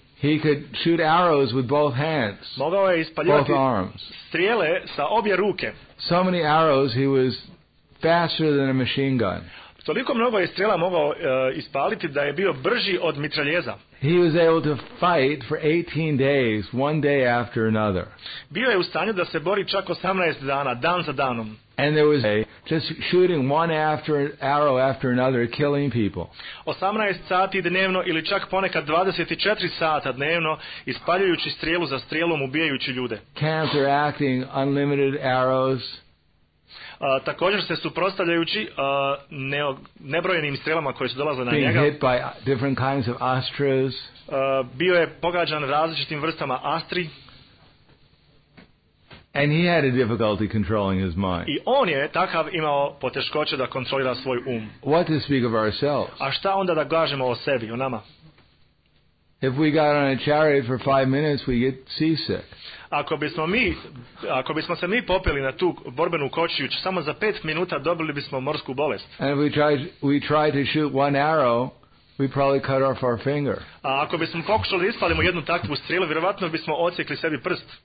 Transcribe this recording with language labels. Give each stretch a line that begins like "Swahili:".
English: He could shoot arrows with both hands.
Bosnian: Mogao je ispaljivati strijele sa obje ruke.
English: So many arrows he was faster than a machine gun.
Bosnian: Toliko mnogo je strela mogao ispaliti da je bio brži od mitraljeza.
English: He was able to fight for 18 days, one day after another.
Bosnian: Bio je u stanju da se bori čak 18 dana, dan za danom.
English: And there was just shooting one after arrow after another, killing people.
Bosnian: 18 sati dnevno ili čak ponekad 24 sata dnevno ispaljujući strijelu za strijelom ubijajući ljude.
English: Cancer acting unlimited arrows.
Bosnian: Također se suprotstavljajući nebrojenim strelama koje su dolazile na
English: being
Bosnian: njega.
English: Hit by different kinds of astras.
Bosnian: Bio je pogađan različitim vrstama astri.
English: And he had a difficulty controlling his mind.
Bosnian: I on je takav imao poteškoće da kontrolira svoj um.
English: What to speak of ourselves?
Bosnian: A šta onda da kažemo o sebi, o nama?
English: If we got on a chariot for 5 minutes, we get seasick.
Bosnian: Ako bismo se mi popeli na tu borbenu kočiju samo za 5 minuta, dobili bismo morsku bolest.
English: And if we try to shoot one arrow, we probably cut off our finger.
Bosnian: A ako bismo pokušali ispalimo jednu takvu strelu, vjerovatno bismo odsjekli sebi prst.